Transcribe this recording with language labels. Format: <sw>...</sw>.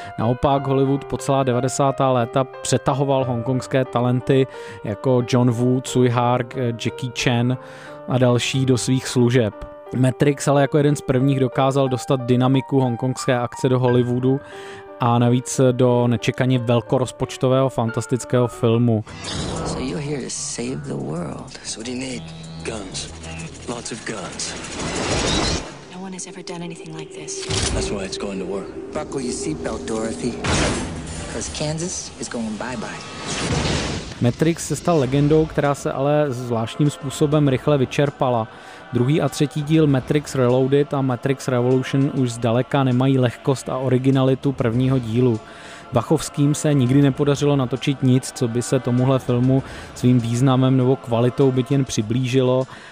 <cs>Naopak Hollywood po celá 90. léta přetahoval hongkongské talenty jako John Woo, Cui Hark, Jackie Chan a další do svých služeb. Matrix ale jako jeden z prvních dokázal dostat dynamiku hongkongské akce do Hollywoodu a navíc do nečekaně velkorozpočtového fantastického filmu.</cs> <en>So you're here to save the world. So what do you need? Guns. Lots of guns. No one has ever done anything like this. That's why it's going to work. Buckle your seatbelt, Dorothy. Because Kansas is going bye-bye.</en> <cs>Matrix se stal legendou, která se ale zvláštním způsobem rychle vyčerpala. Druhý a třetí díl Matrix Reloaded a Matrix Revolution už zdaleka nemají lehkost a originalitu prvního dílu. Vachovským se nikdy nepodařilo natočit nic, co by se tomuhle filmu svým významem nebo kvalitou byť jen přiblížilo.</cs>